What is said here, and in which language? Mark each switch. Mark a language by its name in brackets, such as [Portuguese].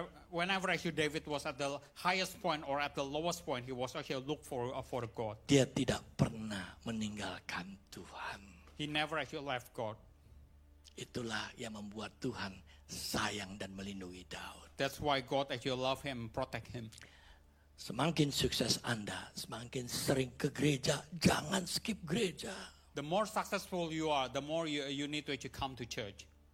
[English] Whenever actually David was at the highest point or at the lowest point, he was actually look for God. [Indonesian] Dia tidak pernah meninggalkan Tuhan. [English] He never actually left God. [Indonesian] Itulah yang membuat Tuhan sayang dan melindungi Daud. [English] That's why God actually love him, protect him. [Indonesian] Semakin sukses Anda, semakin sering ke gereja, jangan skip gereja. [English] The more successful you are, the more you need to actually come to church.